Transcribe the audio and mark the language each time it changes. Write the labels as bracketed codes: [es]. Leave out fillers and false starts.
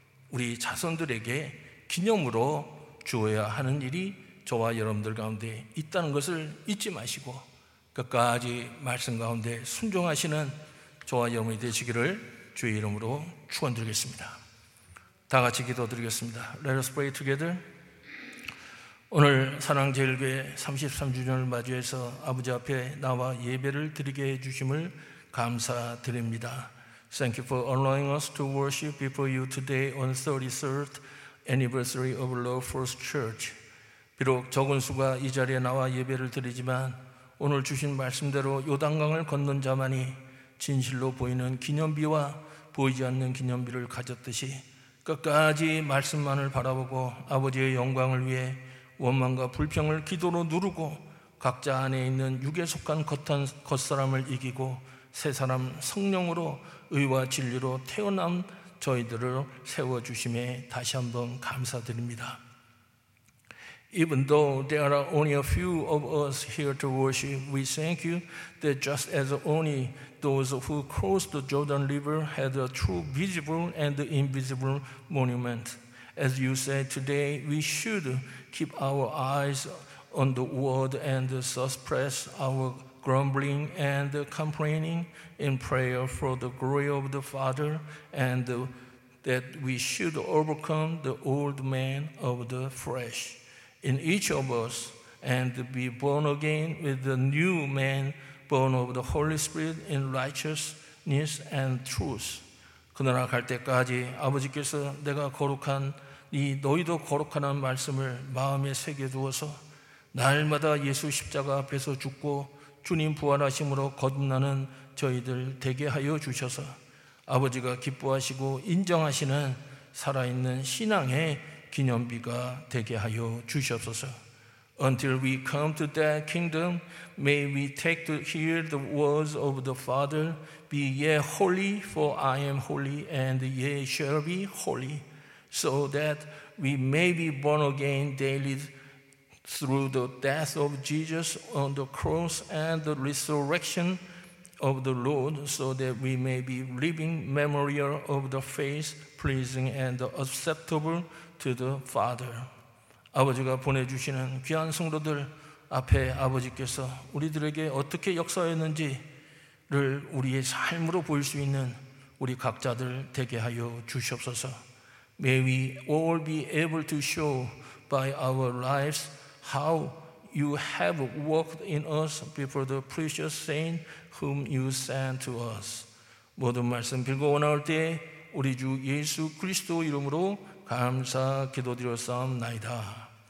[ko] 우리 자손들에게 기념으로 주어야 하는 일이 저와 여러분들 가운데 있다는 것을 잊지 마시고 끝까지 말씀 가운데 순종하시는 저와 여러분이 되시기를 주의 이름으로 축원드리겠습니다. 다 같이 기도드리겠습니다. [en] Let us pray together. [ko] 오늘 사랑제일교회 33주년을 맞이해서 아버지 앞에 나와 예배를 드리게 해주심을 감사드립니다. [en] Thank you for allowing us to worship before you today on the 33rd anniversary of Love First Church. [ko] 비록 적은 수가 이 자리에 나와 예배를 드리지만 오늘 주신 말씀대로 요단강을 건넌 자만이 진실로 보이는 기념비와 보이지 않는 기념비를 가졌듯이 끝까지 말씀만을 바라보고 아버지의 영광을 위해 원망과 불평을 기도로 누르고 각자 안에 있는 육에 속한 겉사람을 이기고 새 사람 성령으로 의와 진리로 태어난 저희들을 세워주심에 다시 한번 감사드립니다. [en] Even though there are only a few of us here to worship, we thank you that just as only those who crossed the Jordan River had a true visible and invisible monument, as you said today, we should keep our eyes on the world and suppress our grumbling and complaining in prayer for the glory of the Father, and that we should overcome the old man of the flesh in each of us and be born again with the new man born of the Holy Spirit in righteousness and truth. [ko] 그 나라 갈 때까지 아버지께서 내가 거룩한 이 너희도 거룩하는 말씀을 마음에 새겨두어서 날마다 예수 십자가 앞에서 죽고 주님 부활하심으로 거듭나는 저희들 되게 하여 주셔서 아버지가 기뻐하시고 인정하시는 살아있는 신앙의 기념비가 되게 하여 주시옵소서. [en] Until we come to that kingdom, may we take to hear the words of the Father, be ye holy, for I am holy, and ye shall be holy, so that we may be born again daily through the death of Jesus on the cross and the resurrection of the Lord, so that we may be living memorial of the faith, pleasing and acceptable to the Father. [ko] 아버지가 보내주시는 귀한 성도들 앞에 아버지께서 우리들에게 어떻게 역사했는지를 우리의 삶으로 보일 수 있는 우리 각자들 되게 하여 주시옵소서. [en] May we all be able to show by our lives how you have worked in us before the precious saint whom you sent to us. [ko] 모든 말씀 빌고 원할 때 우리 주 예수 그리스도 이름으로 감사 기도드렸사옵나이다.